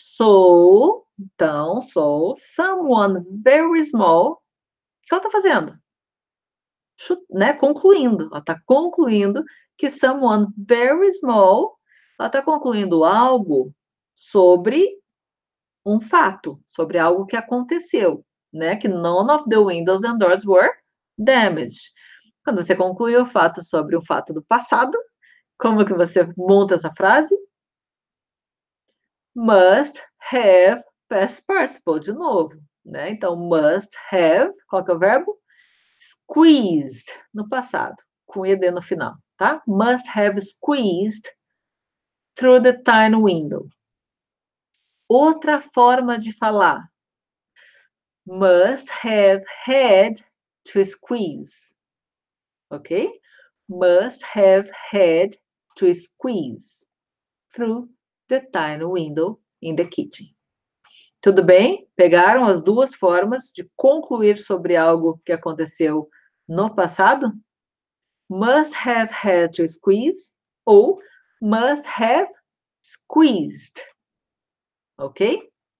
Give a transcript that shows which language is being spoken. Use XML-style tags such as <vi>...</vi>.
<en>So, someone very small.</en> <pt>O que ela está fazendo? Né? Concluindo. Ela está concluindo que</pt> <en>someone very small.</en> <pt>Ela está concluindo algo sobre um fato, sobre algo que aconteceu, né? Que</pt> <en>none of the windows and doors were damaged.</en> <pt>Quando você conclui o fato sobre o fato do passado, como que você monta essa frase?</pt> <en>Must have past participle,</en> <pt>de novo, né? Então,</pt> <en>must have,</en> <pt>qual que é o verbo?</pt> <en>Squeezed,</en> <pt>no passado, com ed no final, tá?</pt> <en>Must have squeezed through the tiny window.</en> <pt>Outra forma de falar.</pt> <en>Must have had to squeeze. Ok? Must have had to squeeze through the tiny window in the kitchen.</en> <pt>Tudo bem? Pegaram as duas formas de concluir sobre algo que aconteceu no passado? Must have had to squeeze ou must have squeezed, ok?</pt>